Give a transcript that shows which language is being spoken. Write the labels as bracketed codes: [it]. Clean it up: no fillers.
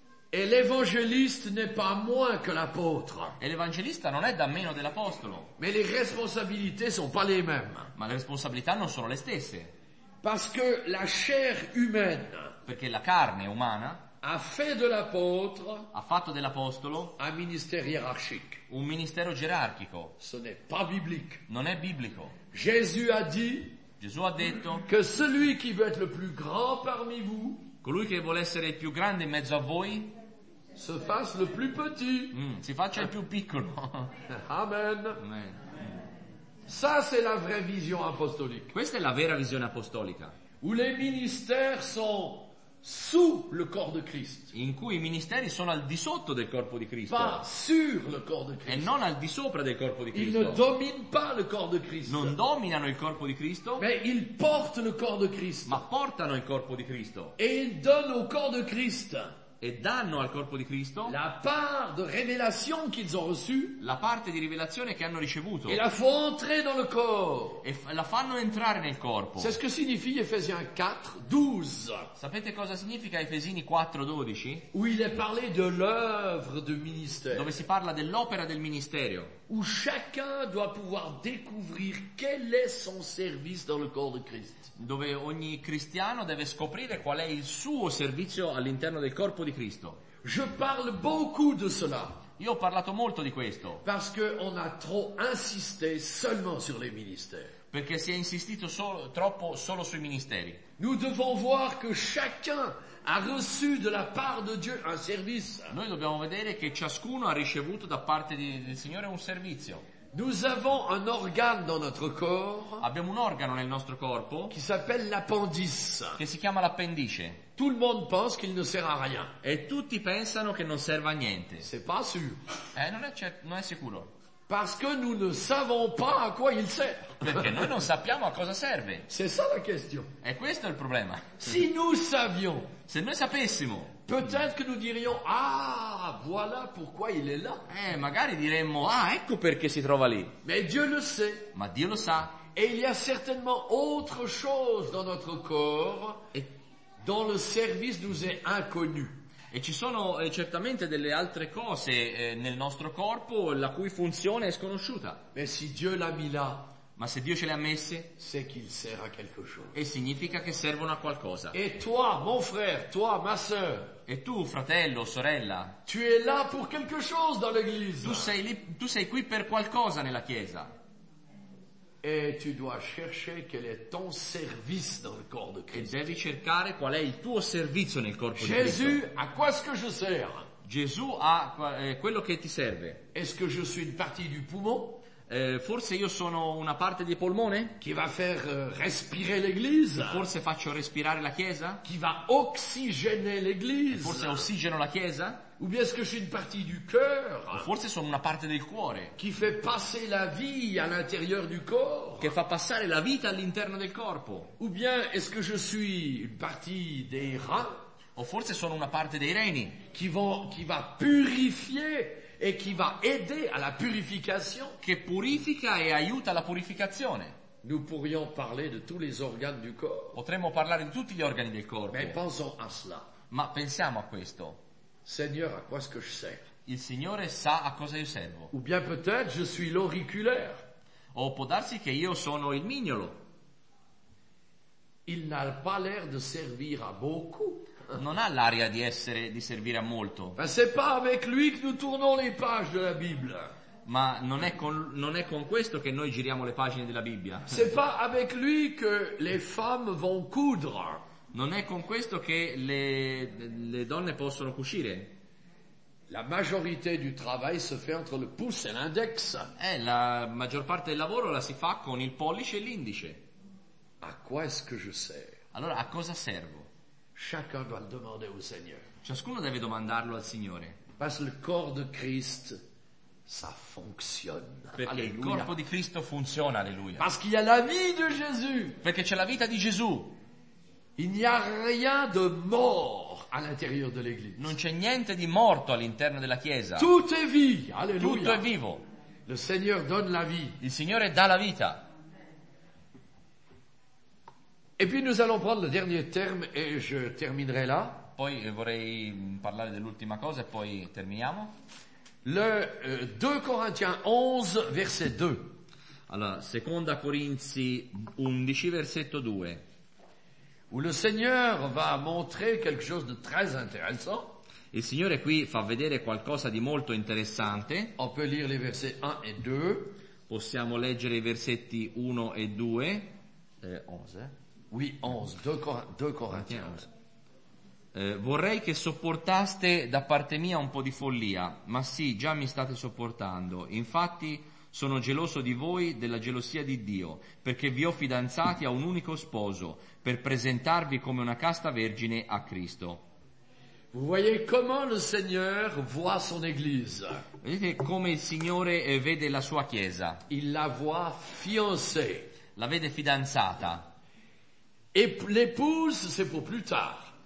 [fr] Et l'évangéliste n'est pas moins que l'apôtre. [it] E l'evangelista non è da meno dell'apostolo. [fr] Mais les responsabilités sont pas les mêmes. [it] Ma le responsabilità non sono le stesse. [fr] Parce que la chair humaine. [it] Perché la carne umana [fr] a fait de l'apôtre, [it] ha fatto dell'apostolo, [fr] un ministère hiérarchique, [it] un ministero gerarchico. [fr] Ce n'est pas biblique, [it] non è biblico. [fr] Jésus a dit, [it] Gesù ha detto, [fr] que celui qui veut être le plus grand parmi vous, [it] colui che vuole essere il più grande in mezzo a voi, [fr] se fasse le plus petit, [it] si faccia il più piccolo. [fr] Amen. [it] Amen. [fr] Ça c'est la vraie vision apostolique. [it] Questa è la vera visione apostolica. [fr] Où les ministères sont sous le corps de Christ. [it] In cui i ministeri sono al di sotto del corpo di Cristo. [fr] Pas sur le corps de Christ. [it] E non al di sopra del corpo di Cristo. [fr] Ils ne dominent pas le corps de Christ. [it] Non dominano il corpo di Cristo. [fr] Mais ils portent le corps de Christ. [it] Ma portano il corpo di Cristo. [fr] Et ils donnent au corps de Christ. [it] E danno al corpo di Cristo [fr] la part de révélation qu'ils ont reçu, [it] la parte di rivelazione che hanno ricevuto, e la fa entrare nel corpo, e la fanno entrare nel corpo. [fr] C'est ce que signifie Ephésiens 4:12. [it] Sapete cosa significa Efesini 4:12? [fr] Où il est parlé de l'œuvre du ministère, [it] dove si parla dell'opera del ministero. [fr] Où chacun doit pouvoir découvrir quel est son service dans le corps de Christ. [it] Dove ogni cristiano deve scoprire qual è il suo servizio all'interno del corpo di Cristo. [fr] Je parle beaucoup de cela. [it] Io ho parlato molto di questo. [fr] Parce que on a trop insisté seulement sur les ministères. [it] Perché si è insistito troppo solo sui ministeri. [fr] Nous devons voir que chacun a reçu de la part de Dieu un service. [it] Noi dobbiamo vedere che ciascuno ha ricevuto da parte del Signore un servizio. [fr] Nous avons un organe dans notre corps. [it] Abbiamo un organo nel nostro corpo. [fr] Qui s'appelle l'appendice. [it] Che si chiama l'appendice. [fr] Tout le monde pense qu'il ne sert à rien. [it] E tutti pensano che non serva a niente. [fr] C'est pas sûr. [it] Non è sicuro. [fr] Parce que nous ne savons pas à quoi il sert. [it] Perché noi non sappiamo a cosa serve. [fr] C'est ça la question. [it] E questo è il problema. [fr] Si nous savions. [it] Se noi sapessimo. [fr] Peut-être que nous dirions, ah, voilà pourquoi il est là. [it] Magari diremmo, ah, ecco perché si trova lì. [fr] Mais Dieu le sait. [it] Ma Dio lo sa. [fr] Et il y a certainement autre chose dans notre corps dont le service nous est inconnu. [it] E ci sono certamente delle altre cose nel nostro corpo la cui funzione è sconosciuta. [fr] Mais si Dieu l'a mis là, [it] ma se Dio ce le ha messe, [fr] c'est qu'il sert à quelque chose. [it] E significa che servono a qualcosa. [fr] Et toi, mon frère, toi, ma sœur, [it] e tu, fratello, sorella, [fr] tu es là pour quelque chose dans l'église. [it] Tu sei qui per qualcosa nella chiesa. [fr] Et tu dois chercher quel est ton service dans le corps de Christ. [it] E devi cercare qual è il tuo servizio nel corpo di [fr] Jésus, [it] Cristo. [fr] À quoi est-ce que je sers? [it] Gesù a quello che ti serve. [fr] Est-ce que je suis une partie du poumon? [it] Forse io sono una parte di polmone? [fr] Qui va faire respirer l'église? [it] Forse faccio respirare la chiesa? [fr] Qui va oxygéner l'église? [it] Forse ossigeno la chiesa? [fr] Ou bien est-ce que je suis une partie du cœur? [it] Forse sono una parte del cuore. [fr] Qui fait passer la vie à l'intérieur du corps? [it] Che fa passare la vita all'interno del corpo. [fr] Ou bien est-ce que je suis une partie des reins? [it] O forse sono una parte dei reni? [fr] Qui va purifier et qui va aider à la purification? [it] Che purifica e aiuta la purificazione. [fr] Nous pourrions parler de tous les organes du corps. [it] Potremmo parlare di tutti gli organi del corpo. [fr] Mais pensons à cela. [it] Ma pensiamo a questo. [fr] Seigneur, à quoi est-ce que je sers? [it] Il Signore sa a cosa io servo. [fr] Ou bien peut-être je suis l'auriculaire. [it] O può darsi che io sono il mignolo. [fr] Il n'a pas l'air de servir à beaucoup. [it] Non ha l'aria di servire a molto. [fr] Ma c'est pas avec lui que nous tournons les pages de la Bible. [it] Ma non è con questo che noi giriamo le pagine della Bibbia. [fr] C'est pas avec lui que les femmes vont coudre. [it] Non è con questo che le donne possono cucire. [fr] La majorité du travail se fait entre le pouce et l'index. [it] La maggior parte del lavoro la si fa con il pollice e l'indice. [fr] À quoi est-ce que je sers? [it] Allora a cosa servo? [fr] Chacun doit le demander au Seigneur. [it] Ciascuno deve domandarlo al Signore. [fr] Parce que le corps de Christ, ça fonctionne. [it] Perché alleluia. Il corpo di Cristo funziona, alleluia. [fr] Parce qu'il y a la vie de Jésus. [it] Perché c'è la vita di Gesù. [fr] Il n'y a rien de mort à l'intérieur de l'église. [it] Non c'è niente di morto all'interno della chiesa. [fr] Tout est vie, alleluia. [it] Tutto è vivo. [fr] Le Seigneur donne la vie. [it] Il Signore dà la vita. [fr] Et puis nous allons prendre le dernier terme et je terminerai là. [it] Poi vorrei parlare dell'ultima cosa e poi terminiamo. [fr] Le 2 Corinthiens 11 verset 2. [it] Allora, Seconda Corinzi 11 versetto 2. [fr] où le Seigneur va montrer quelque chose de très intéressant. [it] Il Signore qui fa vedere qualcosa di molto interessante. [fr] On peut lire les versets 1 et 2. [it] Possiamo leggere i versetti 1 e 2. [fr] 11. Oui, 11. 2 Corinthiens. [it] Vorrei che sopportaste da parte mia un po' di follia, ma sì, già mi state sopportando. Infatti sono geloso di voi, della gelosia di Dio, perché vi ho fidanzati a un unico sposo, per presentarvi come una casta vergine a Cristo. [fr] Vous voyez comment le Seigneur voit son Église. [it] Vedete come il Signore vede la sua Chiesa. [fr] Il la voit fiancée. [it] La vede fidanzata. [fr] Et l'épouse, c'est pour plus tard.